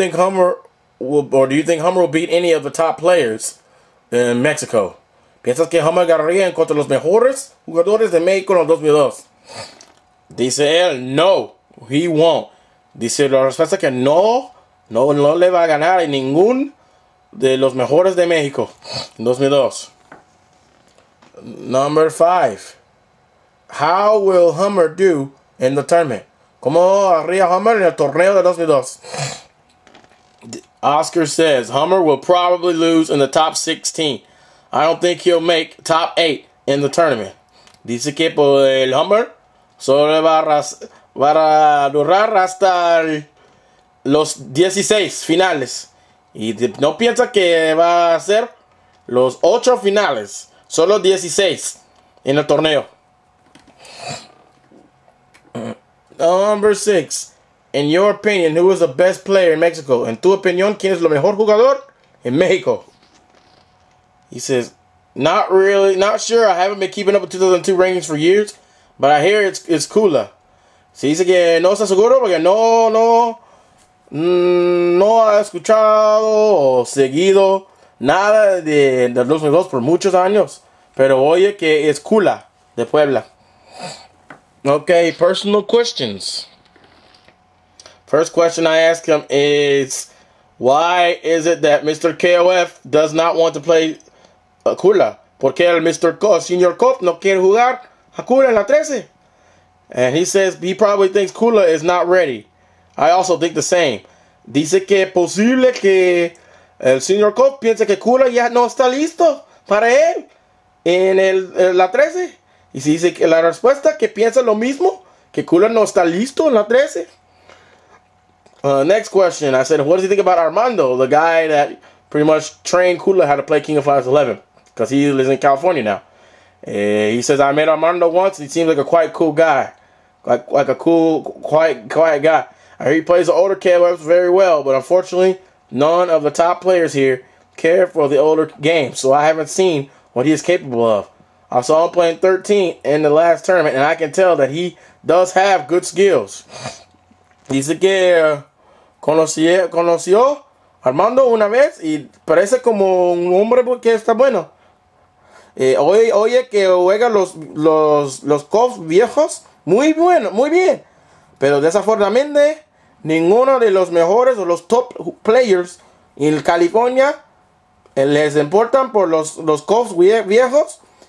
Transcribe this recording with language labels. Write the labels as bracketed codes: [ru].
[en] Do you think Hummer will beat any of the top players in Mexico? [es] ¿Piensas que Hummer ganaría en contra los mejores jugadores de México en 2002? Dice él, no, [en] he won't. [es] Dice la respuesta que no le va a ganar a ningún de los mejores de México en 2002. [en] Number five. How will Hummer do in the tournament? [es] ¿Cómo haría Hummer en el torneo de 2002? [en] Oscar says, Hummer will probably lose in the top 16. I don't think he'll make top 8 in the tournament. [es] Dice que el Hummer solo va a durar hasta los 16 finales. Y no piensa que va a ser los 8 finales. Solo 16 en el torneo. [en] Number 6. In your opinion, who is the best player in Mexico? [es] En tu opinión, ¿quién es el mejor jugador en México? [en] He says, not sure. I haven't been keeping up with 2002 rankings for years, but I hear it's Kula. [es] Se dice que no está seguro porque no ha escuchado o seguido nada de 2002 por muchos años. Pero oye que es Kula de Puebla. [en] Okay, personal questions. First question I ask him is, why is it that Mr. KOF does not want to play Kula? [es] ¿Por qué el Mr. KOF, Senior KOF, no quiere jugar a Kula en la 13? [en] And he says he probably thinks Kula is not ready. I also think the same. [es] Dice que posible que el Senior KOF piense que Kula ya no está listo para él en la 13. Y si dice que la respuesta que piensa lo mismo, que Kula no está listo en la 13. [en] Next question, I said, what does he think about Armando, the guy that pretty much trained Kula how to play King of Fighters 11, because he lives in California now. He says, I met Armando once, and he seems like a quite cool guy, like a cool, quiet guy. I hear he plays the older KOFs very well, but unfortunately, none of the top players here care for the older game, so I haven't seen what he is capable of. I saw him playing 13 in the last tournament, and I can tell that he does have good skills. [es] Dice que conoció a Armando una vez y parece como un hombre que está bueno. Oye que juega los KOF viejos muy bueno, muy bien. Pero desafortunadamente, ninguno de los mejores o los [en] top players [es] en California les importan por los KOF viejos.